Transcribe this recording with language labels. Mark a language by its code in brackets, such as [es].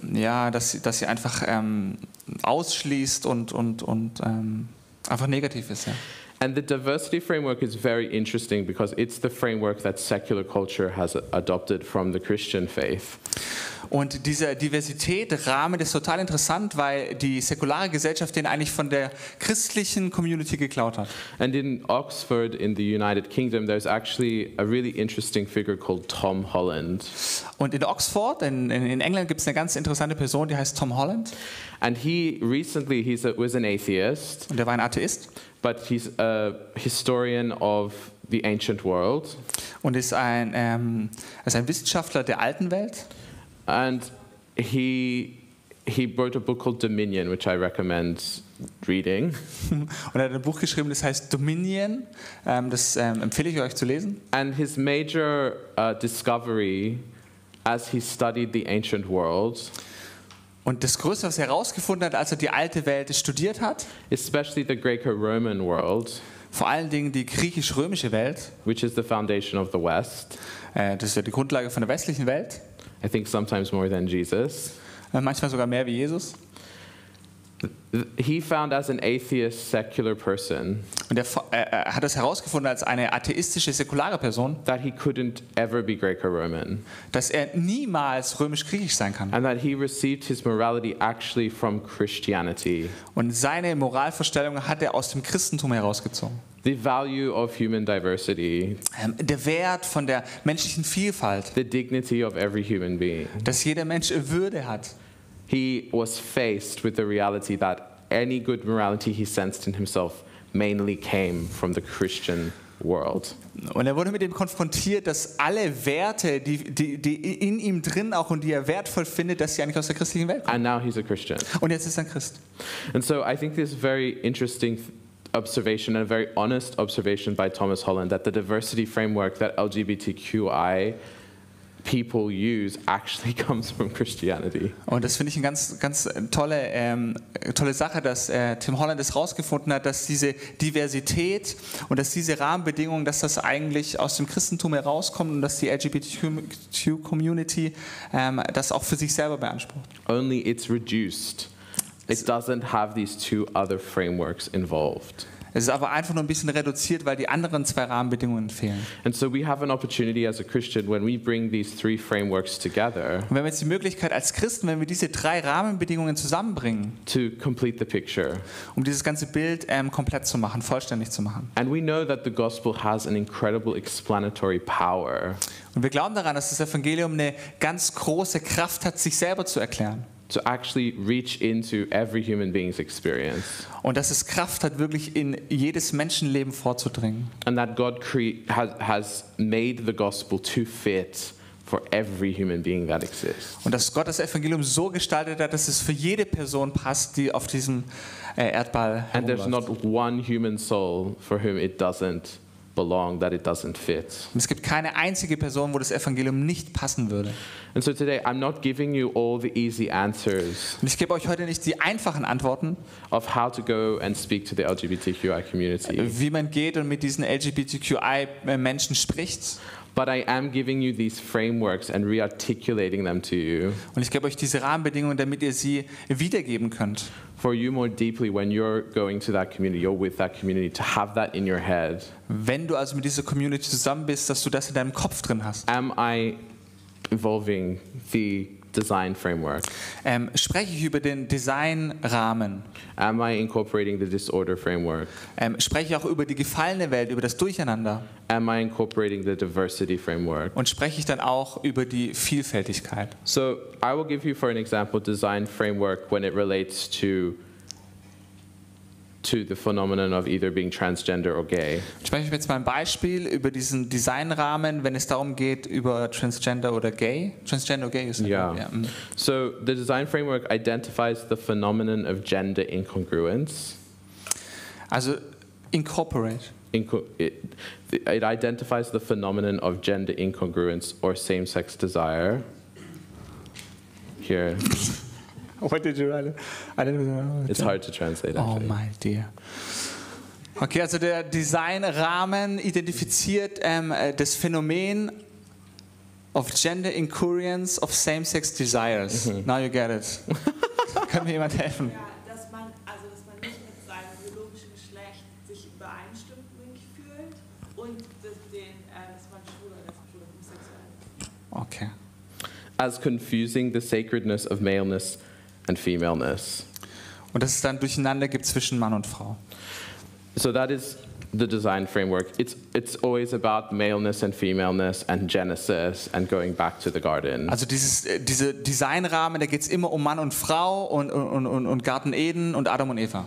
[de] Ja, dass sie einfach ausschließt und einfach negativ ist, ja. [en] And the diversity framework is very interesting because it's the framework that secular culture has adopted from the Christian faith. [de] Und dieser Diversität-Rahmen ist total interessant, weil die säkulare Gesellschaft den eigentlich von der christlichen Community geklaut hat. [en] And in Oxford in the United Kingdom there's actually a really interesting figure called Tom Holland. [de] Und in Oxford in England gibt's eine ganz interessante Person, die heißt Tom Holland. [en] And he recently was an atheist. [de] Und er war ein Atheist. [en] But he's a historian of the ancient world. [de] Und ist ein Wissenschaftler der alten Welt. [en] And he wrote a book called Dominion, which I recommend reading. [de] Und er hat ein Buch geschrieben, das heißt Dominion. Das empfehle ich euch zu lesen. [en] And his major discovery, as he studied the ancient world. [de] Und das Größte, was er herausgefunden hat, als er die alte Welt studiert hat. [en] Especially the Greco-Roman world. [de] Vor allen Dingen die griechisch-römische Welt. [en] Which is the foundation of the West. [de] Das ist ja die Grundlage von der westlichen Welt. [en] I think sometimes more than Jesus. [de] Manchmal sogar mehr wie Jesus. [en] He found as an atheist secular person. [de] Und er hat das herausgefunden als eine atheistische säkulare Person. [en] That he couldn't ever be Greco-Roman. [de] Dass er niemals römisch-griechisch sein kann. [en] And that he received his morality actually from Christianity. [de] Und seine Moralvorstellungen hat er aus dem Christentum herausgezogen. [en] The value of human diversity. [de] Der Wert von der menschlichen Vielfalt. [en] The dignity of every human being. [de] Dass jeder Mensch Würde hat. [en] He was faced with the reality that any good morality he sensed in himself mainly came from the Christian world. [de] Und er wurde mit dem konfrontiert, dass alle Werte, die in ihm drin auch und die er wertvoll findet, dass sie eigentlich aus der christlichen Welt kommen. [en] And now he's a Christian. [de] Und jetzt ist er ein Christ. [en] And so I think this very interesting observation and a very honest observation by Thomas Holland that the diversity framework that LGBTQI people use actually comes from Christianity. [de] Und das finde ich eine ganz tolle tolle Sache, dass Tim Holland es rausgefunden hat, dass diese Diversität und dass diese Rahmenbedingungen, dass das eigentlich aus dem Christentum herauskommt und dass die LGBTQ Community das auch für sich selber beansprucht. [en] Only it's reduced. It doesn't have these two other frameworks involved. [de] Es ist aber einfach nur ein bisschen reduziert, weil die anderen zwei Rahmenbedingungen fehlen. [en] And so we have an opportunity as a Christian when we bring these three frameworks together. [de] Und wenn wir jetzt die Möglichkeit als Christen, wenn wir diese drei Rahmenbedingungen zusammenbringen, [en] to complete the picture. [de] Um dieses ganze Bild komplett zu machen, vollständig zu machen. [en] And we know that the gospel has an incredible explanatory power. [de] Und wir glauben daran, dass das Evangelium eine ganz große Kraft hat, sich selber zu erklären. [en] To actually reach into every human being's experience. [de] Und dass es Kraft hat, wirklich in jedes Menschenleben vorzudringen. [en] And that God has made the gospel to fit for every human being that exists. [de] Und dass Gott das Evangelium so gestaltet hat, dass es für jede Person passt, die auf diesem Erdball herumläuft. [en] And there's not one human soul for whom it doesn't belong, that it doesn't fit. [de] Es gibt keine einzige Person, wo das Evangelium nicht passen würde. [en] And so today I'm not giving you all the easy answers. [de] Und ich gebe euch heute nicht die einfachen Antworten [en] of how to go and speak to the LGBTQI community. [de] Wie man geht und mit diesen LGBTQI Menschen spricht. [en] But I am giving you these frameworks and rearticulating them to you. [de] Und ich gebe euch diese Rahmenbedingungen, damit ihr sie wiedergeben könnt. [en] For you more deeply when you're going to that community, you're with that community, to have that in your head. [de] Wenn du also mit dieser Community zusammen bist, dass du das in deinem Kopf drin hast. [en] Am I evolving the design framework? [de] Spreche ich über den Designrahmen? [en] Am I incorporating the disorder framework? [de] Spreche ich auch über die gefallene Welt, über das Durcheinander? [en] Am I incorporating the diversity framework? [de] Und spreche ich dann auch über die Vielfältigkeit? [en] So, I will give you for an example design framework when it relates to the phenomenon of either being transgender or gay. [de] Ich spreche jetzt mal ein Beispiel über diesen Designrahmen, wenn es darum geht über transgender oder gay. Transgender or gay ist [en] ja. Yeah. So the design framework identifies the phenomenon of gender incongruence. Also incorporate. It identifies the phenomenon of gender incongruence or same-sex desire. Here. What did you write? I didn't even know. It's hard to translate. Oh my dear. Okay, [de] also der Designrahmen identifiziert das Phänomen [en] of gender incongruence of same-sex desires. Mm-hmm. Now you get it. [de] Kann mir jemand helfen? Ja, dass man nicht mit seinem biologischen Geschlecht sich übereinstimmend fühlt und dass man schwul oder homosexuell ist. [en] Okay. as confusing the sacredness of maleness and femaleness. [de] Und dass es dann Durcheinander gibt zwischen Mann und Frau. [en] So that is the design framework. It's always about maleness and femaleness and Genesis and going back to the garden. [de] Also diese Designrahmen, da geht's immer um Mann und Frau und Garten Eden und Adam und Eva.